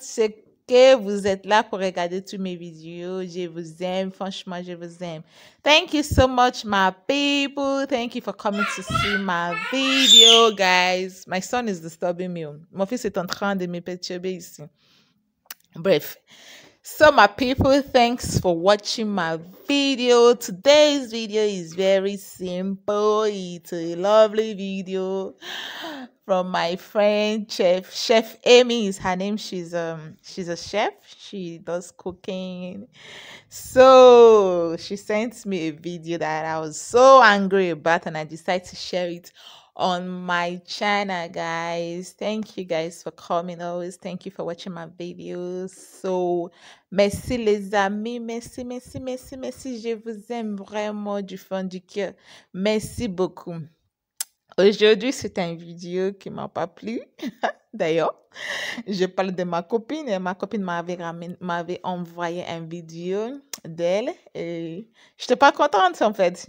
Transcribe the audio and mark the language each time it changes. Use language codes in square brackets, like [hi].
[fr] C'est que vous êtes là pour regarder toutes mes vidéos. Je vous aime. Franchement, je vous aime. [en] Thank you so much, my people. Thank you for coming to see my video, guys. My son is disturbing me. [fr] Mon fils est en train de me perturber ici. Bref. [en] So, my people, thanks for watching my video. Today's video is very simple. It's a lovely video from my friend Chef Amy is her name. She's a chef. She does cooking. So she sent me a video that I was so angry about, and I decided to share it on my channel, guys. Thank you guys for coming. Always thank you for watching my videos. [fr] So merci les amis, merci, merci, merci, merci. Je vous aime vraiment du fond du cœur. Merci beaucoup. Aujourd'hui, c'est une vidéo qui m'a pas plu. D'ailleurs, je parle de ma copine et ma copine m'avait envoyé une vidéo d'elle et j'étais pas contente en fait.